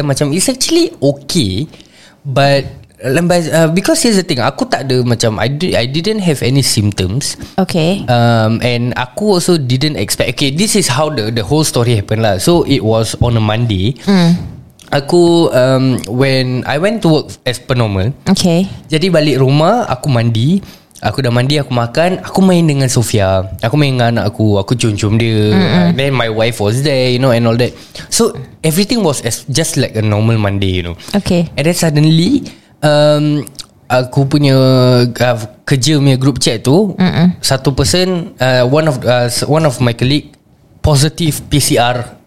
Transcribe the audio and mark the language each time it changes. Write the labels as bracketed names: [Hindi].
[English] Macam it's actually okay, but because here's the thing, [Malay] aku tak ada macam [English] I didn't have any symptoms. Okay. And aku also didn't expect. Okay, this is how the whole story happened lah. So it was on a Monday. Aku when I went to work as per normal. Okay. [Malay] Jadi balik rumah aku mandi. Aku dah mandi, aku makan, aku main dengan Sofia. Aku main dengan anak aku, aku cium-cium dia. Mm-hmm. [English] Then my wife was there, you know, and all that. So everything was just like a normal Monday, you know. Okay. And then suddenly [Malay] aku punya kerja punya [English] group chat [Malay] tu, satu [English] person, one of my colleague positive PCR.